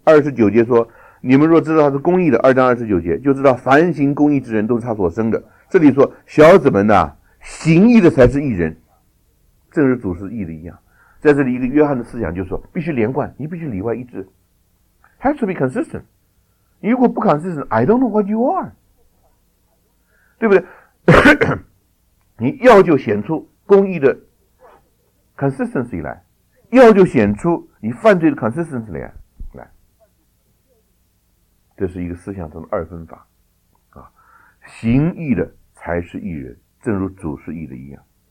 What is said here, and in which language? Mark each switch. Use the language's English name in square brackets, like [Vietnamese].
[Chinese] 29节说，你们若知道他是公义的，2章29节就知道凡行公义之人都是他所生的。这里说小子们呢，行义的才是义人，正如主是义的一样。在这里一个约翰的思想就是说，必须连贯，你必须里外一致， [English] Has to be consistent. [Chinese] 如果不 [English] consistent, I don't know what you are. [Chinese] 对不对？你要就显出公义的 consistency 来，要就显出你犯罪的 consistency 来。这是一个思想中的二分法啊，行义的才是义人，正如主是义的一样。